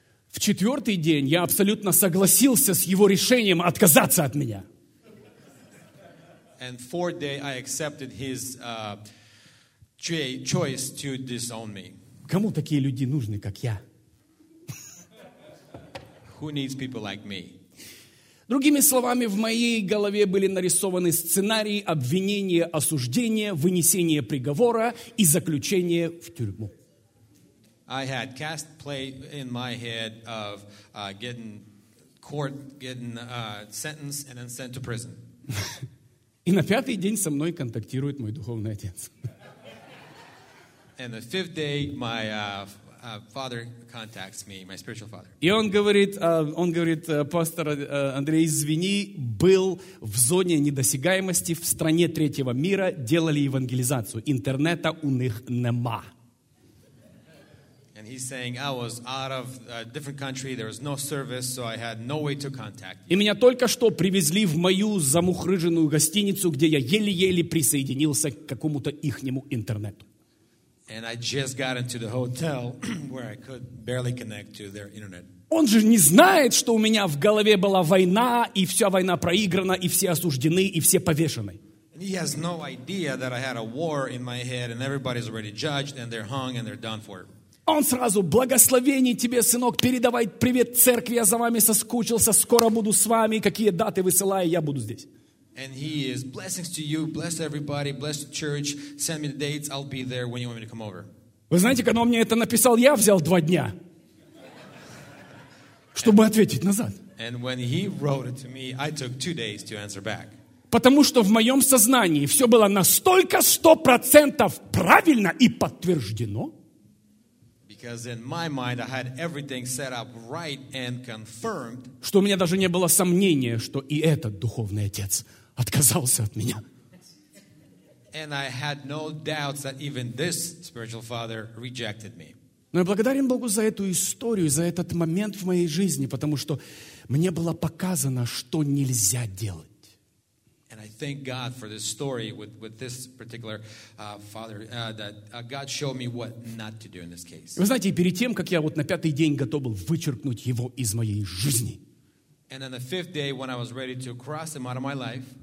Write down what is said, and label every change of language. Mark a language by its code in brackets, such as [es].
[ru] В четвертый день я абсолютно согласился с его решением отказаться от меня. [en] And fourth day, I accepted his choice to disown me. [ru] Кому такие люди нужны, как я? [en] Who needs people like me? [ru] Другими словами, в моей голове были нарисованы сценарии обвинения, осуждения, вынесения приговора и заключения в тюрьму. [en] I had cast play in my head of getting court, getting sentenced and then sent to prison. [ru] И на пятый день со мной контактирует мой духовный отец. [en] And the fifth day, my father contacts me, my spiritual father. [ru] И он говорит, пастор Андрей, извини, был в зоне недосягаемости в стране третьего мира, делали евангелизацию. Интернета у них нема. [en] And he's saying, I was out of a different country, there was no service, so I had no way to contact you. [ru] И меня только что привезли в мою замухрыженную гостиницу, где я еле-еле присоединился к какому-то ихнему интернету. [en] And I just got into the hotel where I could barely connect to their internet. [ru] Он же не знает, что у меня в голове была война, и вся война проиграна, и все осуждены, и все повешены. [en] And he has no idea that I had a war in my head, and everybody's already judged, and they're hung, and they're done for. [ru] Он сразу, благословение тебе, сынок, передавай привет церкви, я за вами соскучился, скоро буду с вами, какие даты высылаю, я буду здесь. [en] And he is blessings to you, bless everybody, bless the church, send me the dates, I'll be there when you want me to come over. [ru] Вы знаете, когда он мне это написал, я взял два дня, чтобы ответить назад. [en] And when he wrote it to me, I took two days to answer back. [ru] Потому что в моем сознании все было настолько 100% правильно и подтверждено. [en] Because in my mind I had everything set up right and confirmed. [ru] Что у меня даже не было сомнения, что и этот духовный отец отказался от меня. [en] And I had no doubts that even this spiritual father rejected me. [ru] Но я благодарен Богу за эту историю, за этот момент в моей жизни, потому что мне было показано, что нельзя делать. [en] And I thank God for this story with this particular father that God showed me what not to do in this case. [ru] Вы знаете, перед тем, как я вот на пятый день готов был вычеркнуть его из моей жизни, [en] and then the fifth day, when I was ready to cross him out of my life,